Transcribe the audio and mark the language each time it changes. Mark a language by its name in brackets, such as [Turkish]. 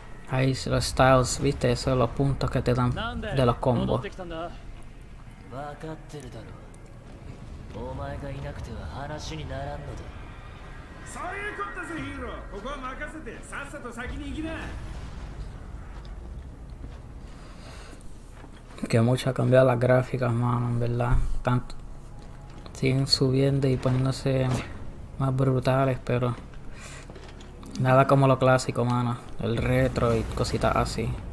[Spanish] Ahí los styles, viste, esos son los puntos que te dan de los combos. [Japanese] わかってるだろう。お前がいなくては話にならんのだ。そういうことぜ、ヒーロー。ここは任せて、さっさと先に行きな。 [Spanish] Que mucho ha cambiado las gráficas, mano, en verdad. Tanto siguen subiendo y poniéndose más brutales, pero nada como lo clásico, mano. El retro y cositas así.